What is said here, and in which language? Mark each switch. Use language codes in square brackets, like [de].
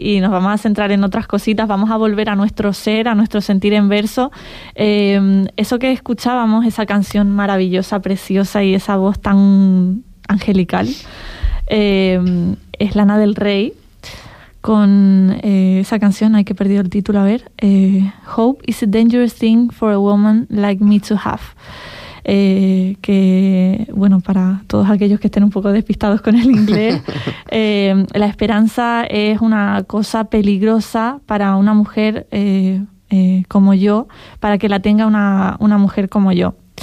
[es] y nos vamos a centrar en otras cositas. Vamos a volver a nuestro ser, a nuestro sentir en verso. Eso que escuchábamos, esa canción maravillosa, preciosa y esa voz tan angelical, es Lana del Rey con esa canción. Hay que perder el título, a ver. [en] Hope is a dangerous thing for a woman like me to have. [es] Que, bueno, para todos aquellos que estén un poco despistados con el inglés, la esperanza es una cosa peligrosa para una mujer como yo, para que la tenga una mujer como yo.